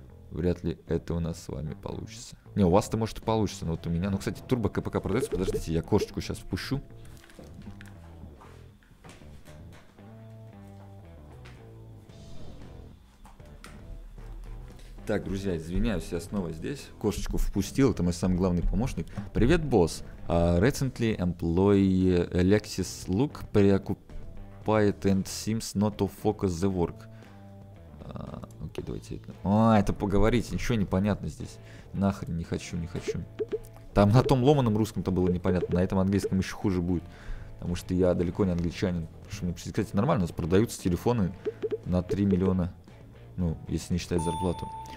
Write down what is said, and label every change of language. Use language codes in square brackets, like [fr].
[ru] Вряд ли это у нас с вами получится. Не, у вас-то может и получится, но вот у меня. Ну, кстати, турбо КПК продается. Подождите, я кошечку сейчас впущу. Так, друзья, извиняюсь, я снова здесь. Кошечку впустил, это мой самый главный помощник. Привет, босс. [en] Recently employee Alexis Luke preoccupied and seems not to focus the work. [ru] Окей, давайте это... это поговорить, ничего не понятно здесь. Нахрен, не хочу. Там на том ломаном русском-то было непонятно, на этом английском еще хуже будет. Потому что я далеко не англичанин. Кстати, нормально, у нас продаются телефоны на 3 миллиона... Ну, если не считать зарплату.